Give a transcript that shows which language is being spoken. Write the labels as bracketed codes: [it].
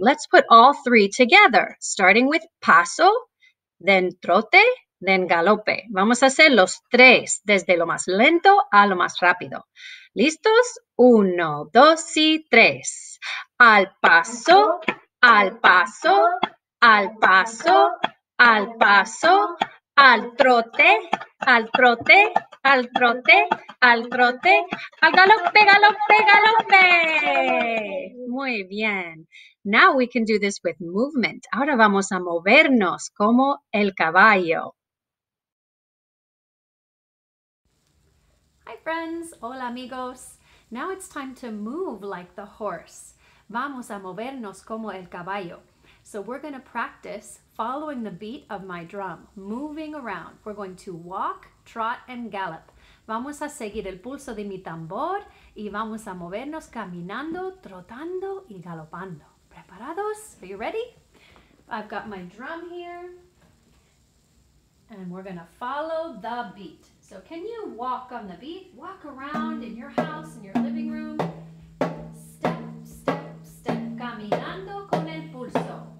[en] Let's put all three together, starting with paso, then trote, then galope. [es] Vamos a hacer los tres, desde lo más lento a lo más rápido. ¿Listos? Uno, dos y tres. Al paso, al paso, al paso, al paso, al trote, al trote, al trote, al trote, al galope, galope, galope. Muy bien. [en] Now we can do this with movement. [es] Ahora vamos a movernos como el caballo. [en] Hi friends, [es] hola amigos. [en] Now it's time to move like the horse. [es] Vamos a movernos como el caballo. [en] So we're gonna practice following the beat of my drum, moving around. We're going to walk, trot, and gallop. [es] Vamos a seguir el pulso de mi tambor y vamos a movernos caminando, trotando y galopando. ¿Preparados? [en] Are you ready? I've got my drum here and we're gonna follow the beat. So can you walk on the beat? Walk around in your house, in your living room. Step, step, step, [es] caminando con el pulso.